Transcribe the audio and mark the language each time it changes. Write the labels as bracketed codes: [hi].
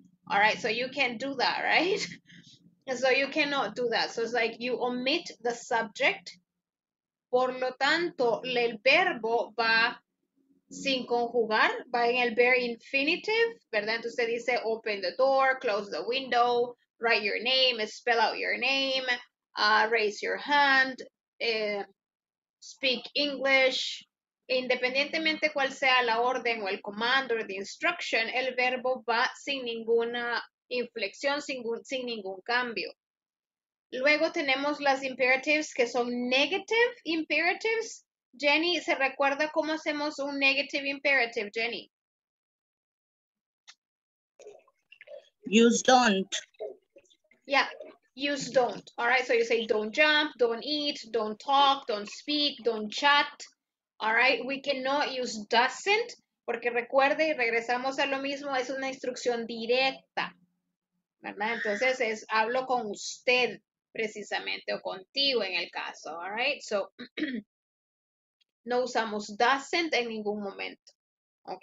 [en] All right, so you can't do that, right? So you cannot do that. So it's like you omit the subject [es] Por lo tanto, el verbo va sin conjugar, va en el very infinitive, ¿verdad? Entonces dice [en] open the door, close the window, write your name, spell out your name, raise your hand, speak English. [es] Independientemente cuál sea la orden o el comando [en] or the instruction, [es] el verbo va sin ninguna inflexión, sin ningún cambio. Luego tenemos las imperatives que son negative imperatives. Jenny, ¿se recuerda cómo hacemos un negative imperative, Jenny? [en] Use don't. Yeah, use don't. All right, so you say don't jump, don't eat, don't talk, don't speak, don't chat. All right, we cannot use doesn't, [es] porque recuerde, y regresamos a lo mismo, es una instrucción directa, ¿verdad? Entonces es hablo con usted precisamente, o contigo en el caso, all right? So, no usamos doesn't en ningún momento, ¿ok?